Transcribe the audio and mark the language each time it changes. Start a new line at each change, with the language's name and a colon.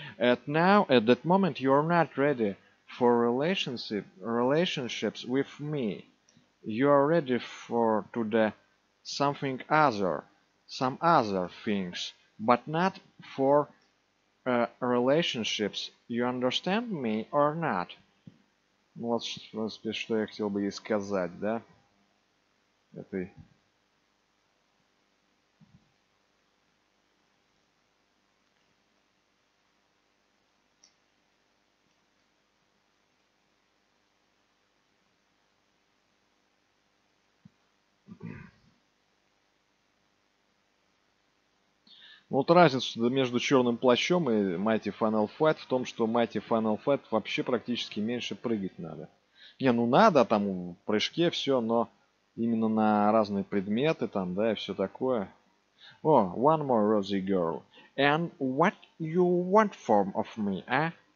English: At now, at that moment, you are not ready for relationships with me. You are ready for to the something other, some other things, but not for relationships. You understand me or not?
Russian: Вот, в принципе, что я хотел бы ей сказать, да? Этой. Вот разница между черным плащом и Mighty Final Fight в том, что Mighty Final Fight вообще практически меньше прыгать надо. Не, ну надо там в прыжке все, но именно на разные предметы там, да, и все такое.
English: О, oh, one more rosy girl. And what you want from of me, а?